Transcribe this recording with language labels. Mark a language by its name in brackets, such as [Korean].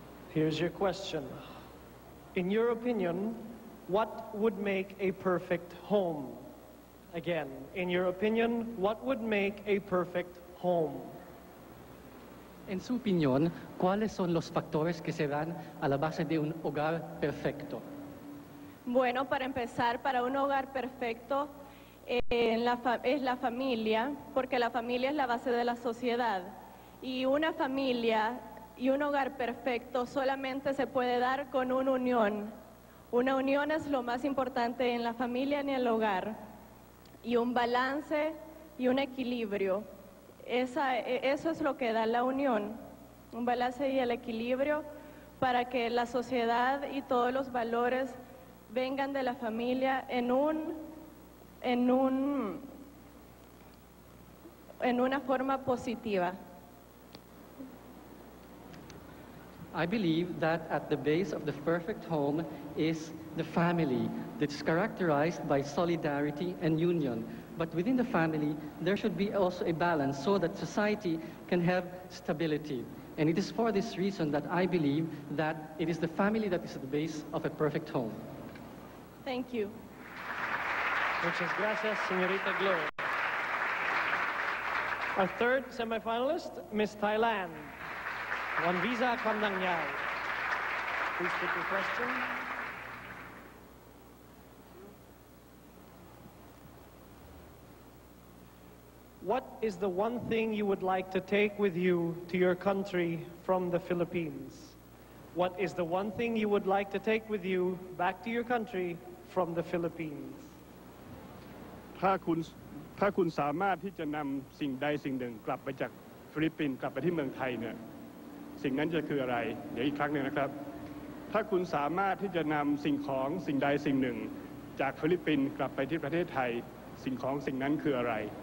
[English] Here's your question. In your opinion, what would make a perfect home? Again, in your opinion, what would make a perfect home? [Spanish] En su opinión, ¿cuáles son los factores que se dan a la base de un hogar perfecto? Bueno, para empezar, para un hogar perfecto es la familia, porque la familia es la base de la sociedad. Y una familia y un hogar perfecto solamente se puede dar con una unión. Una unión es lo más importante en la familia ni en el hogar. Y un balance y un equilibrio. Eso es lo que da la unión. Un balance y el equilibrio para que la sociedad y todos los valores vengan de la familia en una forma positiva. [English] I believe that at the base of the perfect home is the family that is characterized by solidarity and union. But within the family, there should be also a balance so that society can have stability. And it is for this reason that I believe that it is the family that is at the base of a perfect home. Thank you. [Spanish] Muchas gracias, señorita Glow. [English] Our third semifinalist, Miss Thailand. One visa, Kwan Dang Yai. Please take your question. What is the one thing you would like to take with you to your country from the Philippines? What is the one thing you would like to take with you back to your country from the Philippines? [Thai] ถ้าคุณสามารถที่จะนำสิ่งใดสิ่งหนึ่งกลับไปจากฟิลิปปินส์กลับไปที่เมืองไทยเนี่ยสิ่งนั้นจะคืออะไรเดี๋ยวอีกครั้งหนึ่งนะครับถ้าคุณสามารถที่จะนำสิ่งของสิ่งใดสิ่งหนึ่งจากฟิลิปปินส์กลับไปที่ประเทศไทยสิ่งของสิ่งนั้นคืออะไร